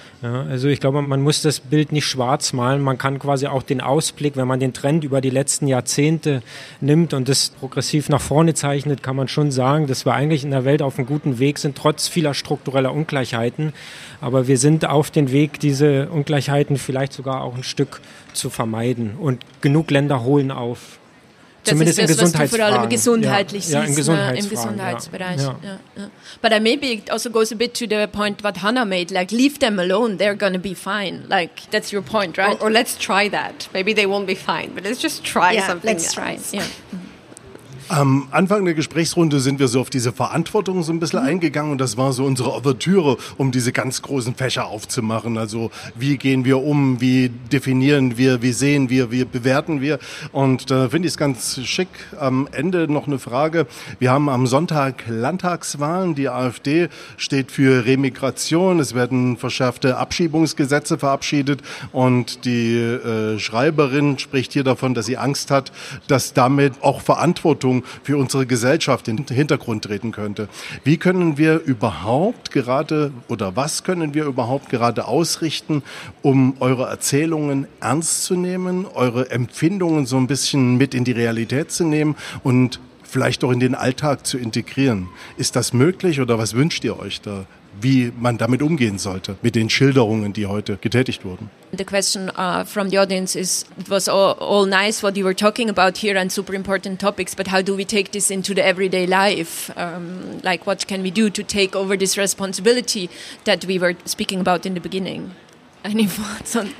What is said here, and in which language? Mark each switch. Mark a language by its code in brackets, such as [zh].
[de] Ja, also ich glaube, man muss das Bild nicht schwarz malen. Man kann quasi auch den Ausblick, wenn man den Trend über die letzten Jahrzehnte nimmt und das progressiv nach vorne zeichnet, kann man schon sagen, dass wir eigentlich in der Welt auf einem guten Weg sind, trotz vieler struktureller Ungleichheiten. Aber wir sind auf dem Weg, diese Ungleichheiten vielleicht sogar auch ein Stück zu vermeiden. Und genug Länder holen auf. Das zumindest ist das, in was du vor allem gesundheitlich ja, siehst, ja, im Gesundheitsbereich. Ja. [en] But maybe it also goes a bit to the point what Hannah made, like, leave them alone, they're gonna be fine. Like, that's your point, right? Or let's try that. Maybe they won't be fine, but let's just try yeah, something let's else. Try. Yeah. [de] Am Anfang der Gesprächsrunde sind wir so auf diese Verantwortung so ein bisschen eingegangen und das war so unsere Ouvertüre, um diese ganz großen Fächer aufzumachen. Also wie gehen wir um, wie definieren wir, wie sehen wir, wie bewerten wir? Und da finde ich es ganz schick, am Ende noch eine Frage. Wir haben am Sonntag Landtagswahlen, die AfD steht für Remigration, es werden verschärfte Abschiebungsgesetze verabschiedet und die Schreiberin spricht hier davon, dass sie Angst hat, dass damit auch Verantwortung für unsere Gesellschaft in den Hintergrund treten könnte. Wie können wir überhaupt gerade oder was können wir überhaupt gerade ausrichten, um eure Erzählungen ernst zu nehmen, eure Empfindungen so ein bisschen mit in die Realität zu nehmen und vielleicht auch in den Alltag zu integrieren? Ist das möglich oder was wünscht ihr euch da, wie man damit umgehen sollte, mit den Schilderungen, die heute getätigt wurden? [en] The question from the audience is, it was all nice what you were talking about here and super important topics, but how do we take this into the everyday life? Like what can we do to take over this responsibility that we were speaking about in the beginning? Any thoughts on